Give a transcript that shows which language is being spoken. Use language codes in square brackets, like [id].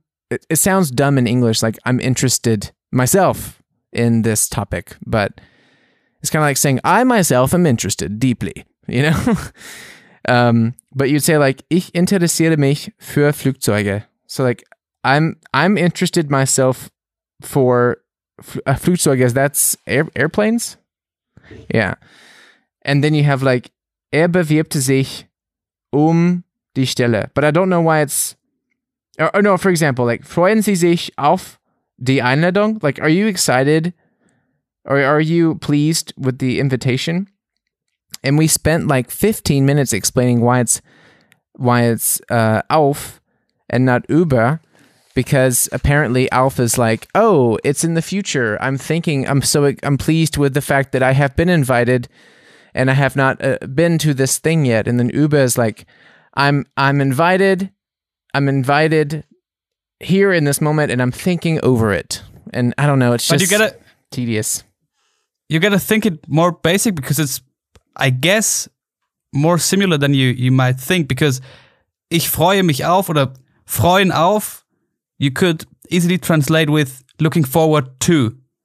[en] It sounds dumb in English, like I'm interested myself in this topic, but it's kind of like saying, I myself am interested deeply, you know? but you'd say like, [de] ich interessiere mich für Flugzeuge. [en] So like, I'm interested myself for Flugzeug, I guess that's airplanes. Yeah. And then you have like, [de] bewirbt sich die Stelle. [en] But I don't know why it's, or no, for example, like, [de] freuen Sie sich auf die Einladung? [en] Like, are you excited or are you pleased with the invitation? And we spent like 15 minutes explaining why it's auf and not über. Because apparently Alpha's like, oh, it's in the future. I'm thinking, I'm pleased with the fact that I have been invited and I have not been to this thing yet. And then Uber is like, I'm invited here in this moment and I'm thinking over it. And I don't know, it's just tedious. You gotta think it more basic because it's, I guess, more similar than you might think. Because [de] ich freue mich auf oder freuen auf, [en] you could easily translate with looking forward to.